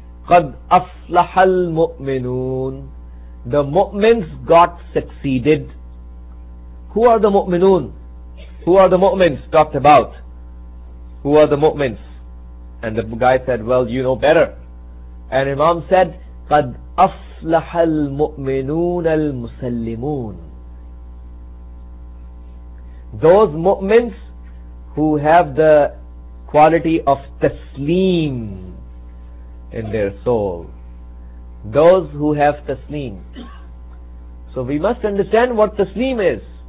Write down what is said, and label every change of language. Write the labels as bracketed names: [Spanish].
[Arabic] قَدْ أَفْلَحَ الْمُؤْمِنُونَ, [English] the mu'mins got succeeded. Who are the mu'minun? Who are the mu'mins talked about? Who are the mu'mins? And the guy said, well, you know better. And Imam said, [Arabic] قَدْ أَفْلَحَ الْمُؤْمِنُونَ الْمُسَلِّمُونَ. [English] Those mu'mins who have the quality of taslim in their soul. Those who have taslim. So we must understand what taslim is.